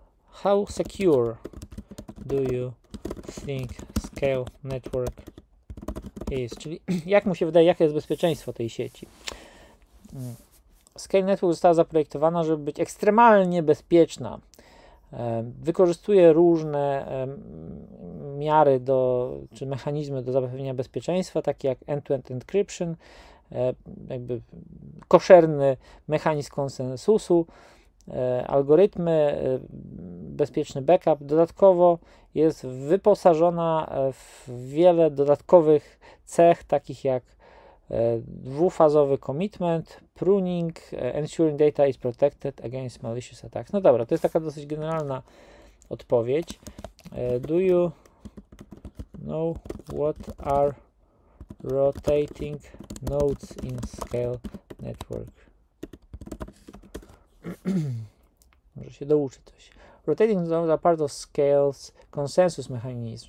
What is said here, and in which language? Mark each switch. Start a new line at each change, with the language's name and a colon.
English: How secure do you think Scale Network
Polish: jest? Czyli jak mu się wydaje, jakie jest bezpieczeństwo tej sieci? Scale Network została zaprojektowana, żeby być ekstremalnie bezpieczna. Wykorzystuje różne miary do, czy mechanizmy do zapewnienia bezpieczeństwa, takie jak end-to-end encryption, jakby koszerny mechanizm konsensusu, algorytmy, bezpieczny backup. Dodatkowo jest wyposażona w wiele dodatkowych cech, takich jak dwufazowy commitment, pruning,
English: ensuring data is protected against malicious attacks.
Polish: No dobra, to jest taka dosyć generalna odpowiedź.
English: Do you know what are rotating nodes in Scale Network?
Polish: Może się douczy coś.
English: Rotating nodes are part of Scale's consensus mechanism.